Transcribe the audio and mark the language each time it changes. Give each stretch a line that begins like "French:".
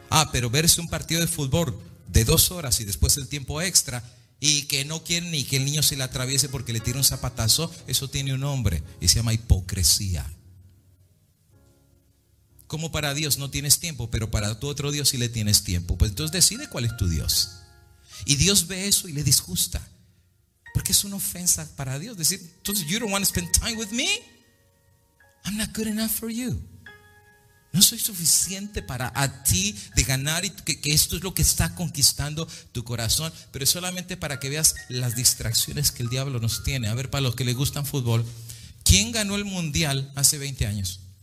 Spanish: Pero verse un partido de fútbol de 2 horas y después el tiempo extra, y que no quieren ni que el niño se le atraviese porque le tira un zapatazo, eso tiene un nombre y se llama hipocresía. Como para Dios no tienes tiempo, pero para tu otro Dios sí le tienes tiempo. Pues entonces decide cuál es tu Dios. Y Dios ve eso y le disgusta. Porque es una ofensa para Dios. Decir: entonces
English: you don't want to spend time with me. I'm not good enough for you.
Spanish: No soy suficiente para a ti de ganar, y que esto es lo que está conquistando tu corazón. Pero es solamente para que veas las distracciones que el diablo nos tiene. A ver, para los que les gustan fútbol, ¿quién ganó el mundial hace 20 años?